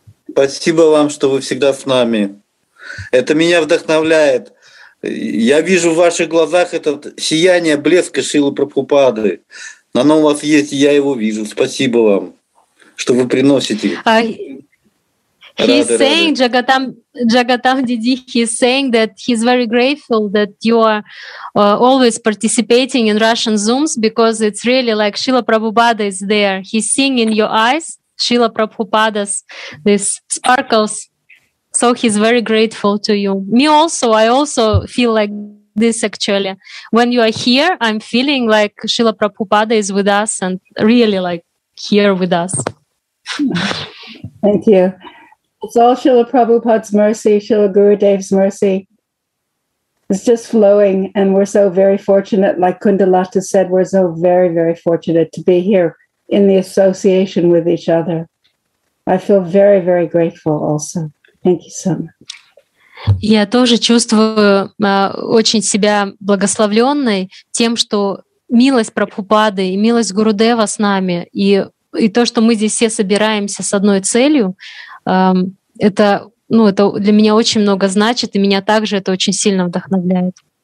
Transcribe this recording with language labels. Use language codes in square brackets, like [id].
[ru] Спасибо вам, что вы всегда с нами. Это меня вдохновляет. Я вижу в ваших глазах это сияние, блеск Шрилы Прабхупады. Оно у вас есть, я его вижу. Спасибо вам, что вы приносите. [en] Jagatam Didi, he's saying that he's very grateful that you are always participating in Russian Zooms because it's really like Shrila Prabhupada is there. He's seeing in your eyes Shrila Prabhupada's these sparkles. So he's very grateful to you. Me also, I also feel like this actually. When you are here, I'm feeling like Srila Prabhupada is with us and really like here with us. Thank you. It's all Srila Prabhupada's mercy, Srila Gurudev's mercy. It's just flowing and we're so very fortunate, like Kundalata said, we're so very, very fortunate to be here in the association with each other. I feel very, very grateful also. Thank you so much. [ru] Я тоже чувствую очень себя благословленной тем, что милость Прабхупады и милость Гурудева с нами, и то, что мы здесь все собираемся с одной целью, это, ну, это для меня очень много значит, и меня также это очень сильно вдохновляет.